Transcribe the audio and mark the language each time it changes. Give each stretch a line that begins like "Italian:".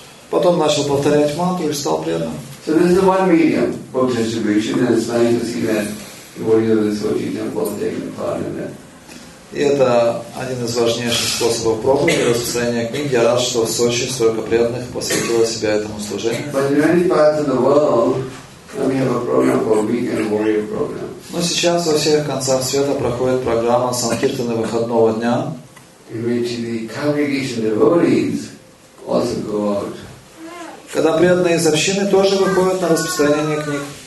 Russian: Потом начал повторять мантру и стал преданным.
English: So this is the one medium for distribution, and it's nice to see that devotees of the Sochi temple taking part in it.
Russian: И это один из важнейших способов проповеди распространения книг. Я рад, что в Сочи столько преданных посвятило себя этому служению.
English: But in many parts of the world, we have a program called Weekend Warrior Program.
Russian: Но сейчас во всех концах света проходит программа Санкиртаны выходного дня.
English: In which the congregation devotees also go out.
Russian: Когда преданные из общины тоже выходят на распространение книг.